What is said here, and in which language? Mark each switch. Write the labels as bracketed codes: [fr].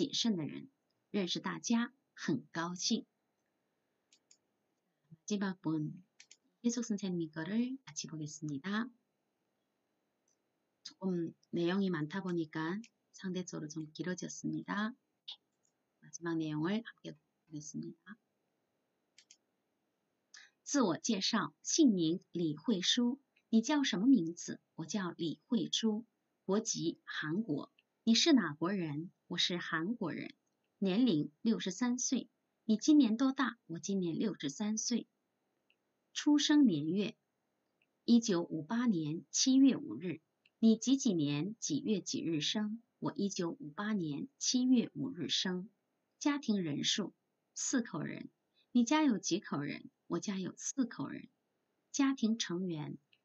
[zh] 我的特长是打羽毛球，我是一个乐观、温和、谨慎的人。认识大家很高兴。 [ko] 마지막 분, 이혜숙 선생님 거를 같이 보겠습니다. 조금 내용이 많다 보니까 상대적으로 좀 길어졌습니다. 마지막 내용을 함께 보겠습니다. [zh] 自我介绍，姓名李慧书。你叫什么名字？我叫李慧珠，国籍韩国。你是哪国人？我是韩国人，年龄63岁。你今年多大？我今年63岁。出生年月：1958年7月5日。你几几年几月几日生？我1958年7月5日生。家庭人数：四口人。你家有几口人？我家有四口人。家庭成员。